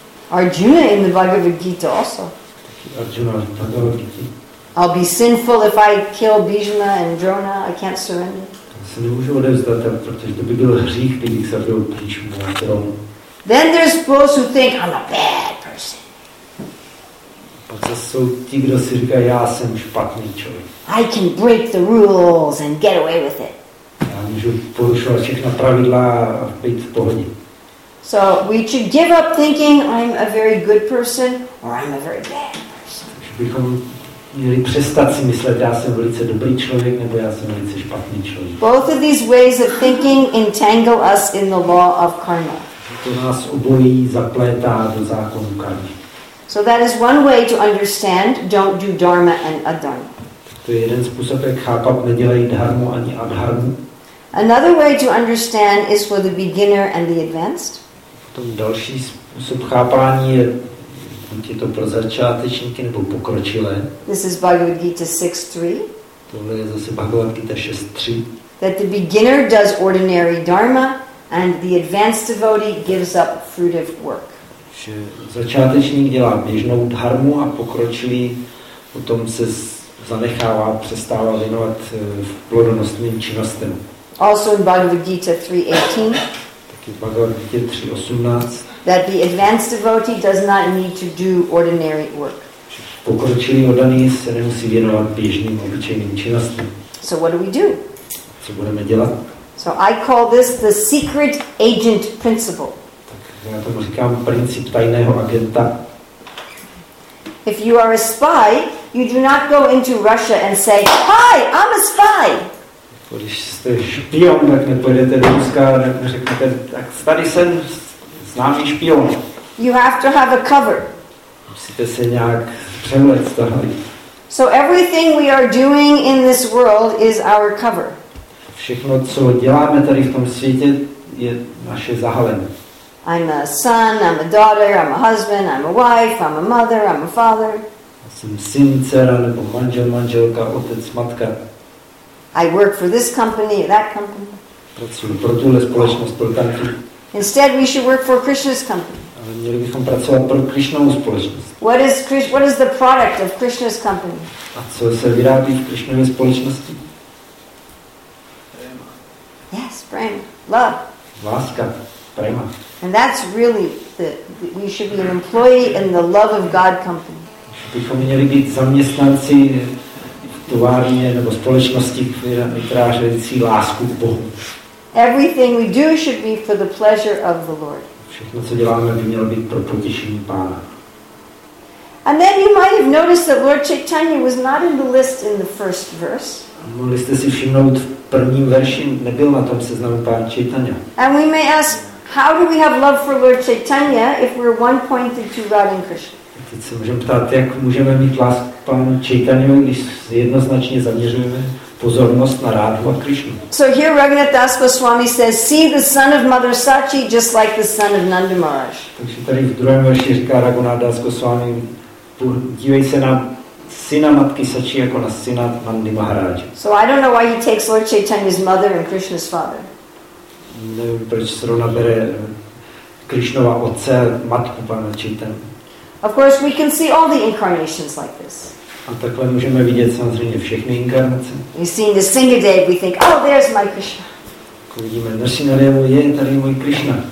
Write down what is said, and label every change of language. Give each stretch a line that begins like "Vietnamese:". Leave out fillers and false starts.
English: Arjuna in the Bhagavad Gita also. Arjuna in the Bhagavad Gita. I'll be sinful if I kill Bhishma and Drona. I can't surrender.
Czech: Se nemůžu odevzdat, protože to by byl hřích, kdybych zabil Bhishmu a Dronu.
English: Then there's those who think I'm a bad person.
Czech: Pak jsou ti, kdo si říkají, já jsem špatný člověk.
English: I can break the rules and get away with it.
Czech: Já můžu porušovat všechna pravidla a být v pohodě.
English: So we should give up thinking I'm a very good person or I'm a very bad person.
Czech: Bychom měli přestat si myslet, já jsem velice dobrý člověk nebo já jsem velice špatný člověk.
English: Both of these ways of thinking entangle us in the law of karma.
Czech: To nás obojí zaplétá do zákonu karmy.
English: So that is one way to understand don't do dharma and adharma.
Czech: To je jeden způsob, jak chápat, nedělej dharmu ani adharmu.
English: Another way to understand is for the beginner and the advanced.
Czech: Potom další způsob chápání je, buď je to pro začátečníky nebo pokročilé.
English: This is Bhagavad Gita 6.3.
Czech: Tohle je zase Bhagavad Gita 6.3.
English: that the beginner does ordinary dharma and the advanced devotee gives up fruitive work.
Czech: Že začátečník dělá běžnou dharmu a pokročilý potom se zanechává, přestává věnovat plodonosným činnostem.
English: Also in Bhagavad Gita 3.18.
Czech: Taky v Bhagavad Gita 3.18.
English: That the advanced devotee does not need to do ordinary work.
Czech: Pokročilý oddaný se nemusí věnovat běžným obyčejným činnostem.
English: So what do we do?
Czech: Co budeme dělat?
English: So I call this the secret agent principle.
Czech: Tak já tomu říkám princip tajného agenta.
English: If you are a spy, you do not go into Russia and say, "Hi, I'm a spy."
Czech: Když jste špion, tak nepojedete do Ruska, neřeknete, tak tady jsem známý špion.
English: You have to have a cover.
Czech: Musíte se nějak přemlet z toho.
English: So everything we are doing in this world is our cover.
Czech: Všechno, co děláme tady v tom světě, je naše zahalení.
English: I'm a son, I'm a daughter, I'm a husband, I'm a wife, I'm a mother, I'm a father.
Czech: Jsem syn, dcera, nebo manžel, manželka, otec, matka.
English: I work for this company, that company.
Czech: Pracuji pro tuhle společnost, pro tamtí.
English: Instead, we should work for Krishna's company.
Czech: Ale měli bychom pracovat pro Krishnovu společnost.
English: What is the product of Krishna's company?
Czech: A co se vyrábí v Krishnově společnosti?
English: Yes, prema. Love.
Czech: Láska, prema.
English: And that's really the we should be an employee in the love of God company.
Czech: Bychom měli být zaměstnanci v továrně nebo společnosti, která řeší lásku k Bohu.
English: Everything we do should be for the pleasure of the Lord.
Czech: Všechno, co děláme, by mělo být pro potěšení Pána.
English: And then you might have noticed that Lord Chaitanya was not in the list in the first verse.
Czech: Mohli jste si všimnout, v prvním verši nebyl na tom seznamu Pán Chaitanya.
English: And we may ask, how do we have love for Lord Chaitanya if we're one pointed to Radha Krishna?
Czech: Teď se můžeme ptát, jak můžeme mít lásku k Pánu Chaitanyu, když jednoznačně zaměřujeme pozornost na Radhu a Krishnu.
English: So here Raghunath Das Goswami says, see the son of Mother Sachi just like the son of Nanda Maharaj.
Czech: Takže tady v druhém verši říká Raghunath Das Goswami, dívej se na syna matky Sachi jako na syna Nandi Maharaja.
English: So I don't know why he takes Lord Chaitanya's mother and Krishna's father.
Czech: Nevím, proč zrovna bere Krishnova otce, matku Pana Chaitanya.
English: Of course we can see all the incarnations like this.
Czech: A takhle můžeme vidět samozřejmě všechny inkarnace.
English: We've seen the Singhadev, we think, oh, there's my Krishna.
Czech: Vidíme Narsinghadevu, je tady můj Krishna.